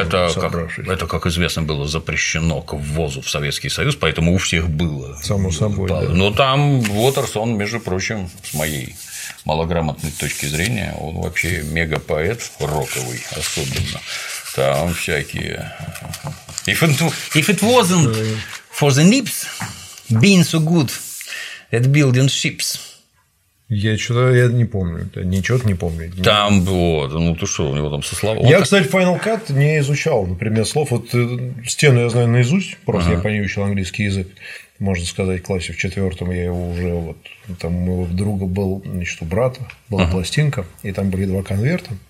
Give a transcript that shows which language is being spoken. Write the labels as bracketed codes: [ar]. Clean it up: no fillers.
[ru] Это, как известно, было запрещено к ввозу в Советский Союз, поэтому у всех было. Само собой. Да. Но там Уотерс, он, между прочим, с моей малограмотной точки зрения, он вообще мегапоэт роковый, особенно. Там всякие. [en] If it wasn't for the nips, being so good at building ships. [ru] Я что-то я не помню, ничего не помню. Там вот, ну ты что, у него там со словом. Я, кстати, Final Cut не изучал, например, слов. Вот стену я знаю наизусть, просто я по ней учил английский язык, можно сказать, в классе в четвертом я его уже вот там у моего друга был, значит, у брата была пластинка, и там были два конверта.